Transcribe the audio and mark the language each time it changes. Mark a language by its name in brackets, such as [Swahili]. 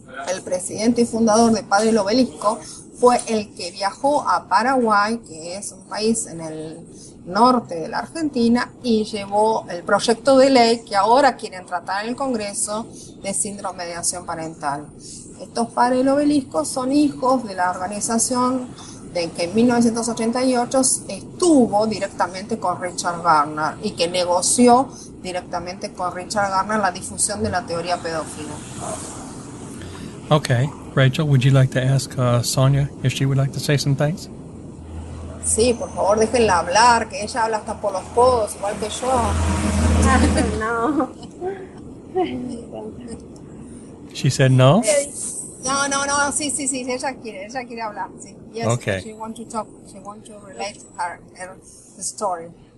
[Spanish] El presidente y fundador de Padre del Obelisco fue el que viajó a Paraguay, que es un país en el norte de la Argentina, y llevó el proyecto de ley que ahora quieren tratar en el Congreso, de síndrome de acción parental. Estos padres del obelisco son hijos de la organización de que en 1988 estuvo directamente con Richard Garner y que negoció directamente con Richard Garner la difusión de la teoría pedófila. [English] Okay, Rachel, would you like to ask Sonia if she would like to say some things? [Spanish] Sí, por favor, déjenla hablar, que ella habla hasta por los codos, igual que yo. No. [English] She said no? [Spanish] No, sí, ella quiere hablar, sí. [English] Yes, okay. She wants to talk, she wants to relate her story.